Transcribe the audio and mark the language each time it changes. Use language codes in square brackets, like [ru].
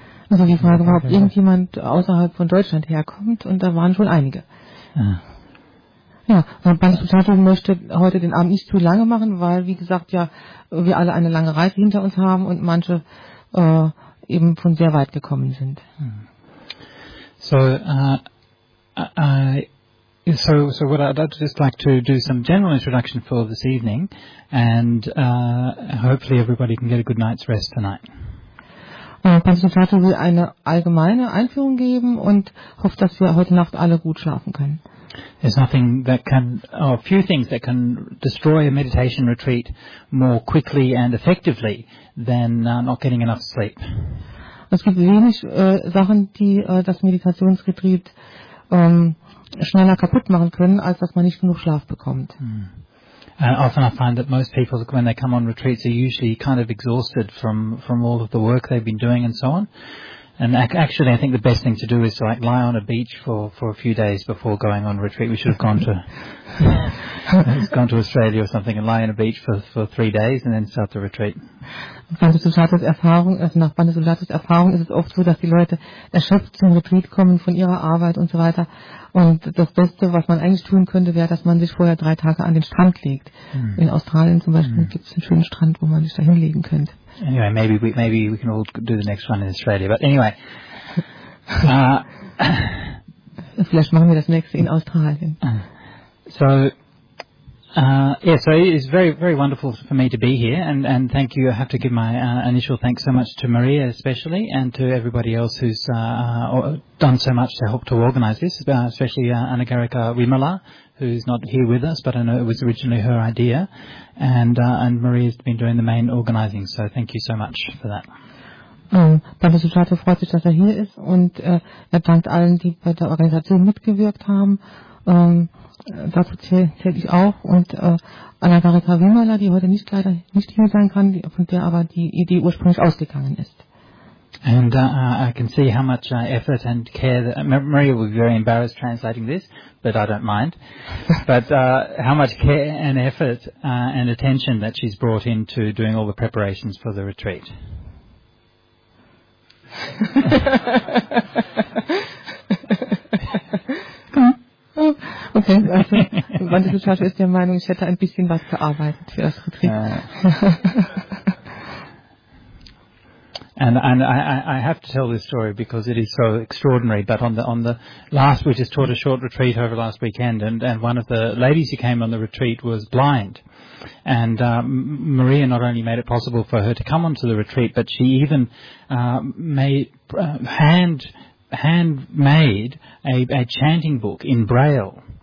[de] Also die Frage war, ob irgendjemand außerhalb von Deutschland herkommt, und da waren schon einige. Ja, Bhante Sujato möchte heute den Abend nicht zu lange machen, weil, wie gesagt, ja, wir alle eine lange Reise hinter uns haben und manche eben von sehr weit gekommen sind. [en] So what I'd just like to do some general introduction for this evening, and hopefully everybody can get a good night's rest tonight. [de] Bhante Sujato will eine allgemeine Einführung geben und hofft, dass wir heute Nacht alle gut schlafen können. [en] There's nothing that can, or a few things that can destroy a meditation retreat more quickly and effectively than not getting enough sleep. [de] Es gibt wenig Sachen, die das Meditationsretreat schneller kaputt machen können, als dass man nicht genug Schlaf bekommt. [en] And often I find that most people, when they come on retreats, are usually kind of exhausted from all of the work they've been doing and so on. And actually, I think the best thing to do is to like lie on a beach for a few days before going on retreat. We should have gone to Australia or something and lie on a beach for 3 days and then start the retreat. [de] Bhante Sujatos Erfahrung, also nach Bhante Sujatos Erfahrung, ist es oft so, dass die Leute erschöpft zum Retreat kommen von ihrer Arbeit und so weiter. Und das Beste, was man eigentlich tun könnte, wäre, dass man sich vorher 3 Tage an den Strand legt. Hm. In Australien zum Beispiel gibt es einen schönen Strand, wo man sich da hinlegen könnte. [en] Anyway, maybe we can all do the next one in Australia. But anyway. [de] Vielleicht machen wir das nächste in Australien. [en] So it's very, very wonderful for me to be here, and thank you. I have to give my initial thanks so much to Maria especially, and to everybody else who's done so much to help to organize this, especially Anagarika Wimala, who's not here with us, but I know it was originally her idea, and Maria's been doing the main organizing, so thank you so much for that. [de] Pavel Suchato freut sich, dass er hier ist, und dankt allen, die bei der Organisation mitgewirkt haben. Dazu zähle ich auch, und Anna-Garika Wimmerler, die heute leider nicht hier sein kann, von der aber die Idee ursprünglich ausgegangen ist. [en] And I can see how much effort and care that Maria will be very embarrassed translating this, but I don't mind. But how much care and effort and attention that she's brought into doing all the preparations for the retreat. [de] Okay, also Wanda Suchato ist der Meinung, ich hätte ein bisschen was gearbeitet für das Retreat. [en] And I have to tell this story because it is so extraordinary. But on the last, we just taught a short retreat over last weekend, and one of the ladies who came on the retreat was blind. And Maria not only made it possible for her to come onto the retreat, but she even made a chanting book in Braille.